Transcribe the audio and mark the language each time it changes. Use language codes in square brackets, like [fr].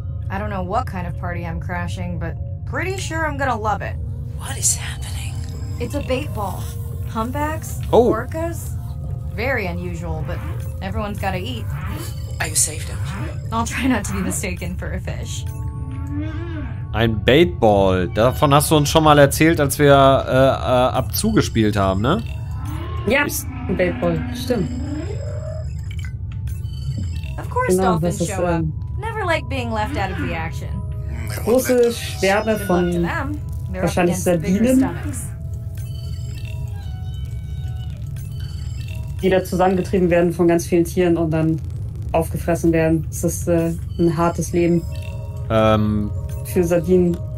[en] I don't know what kind of party I'm crashing, but pretty sure I'm gonna love it. What is happening? It's a bait ball. Humpbacks? Oh. Orcas? Very unusual, but everyone's gotta eat. Are you safe, don't you? I'll try not to be mistaken for a fish. [de] Ein Baitball. Davon hast du uns schon mal erzählt, als wir Abzu gespielt haben, ne? Ja, ein Baitball. Stimmt. [en] Of course genau, Dolphins show up. Never like being left out of the action. [de] Große Schwärme von wahrscheinlich Sardinen, die da zusammengetrieben werden von ganz vielen Tieren und dann aufgefressen werden. Das ist ein hartes Leben. Für Sardinen.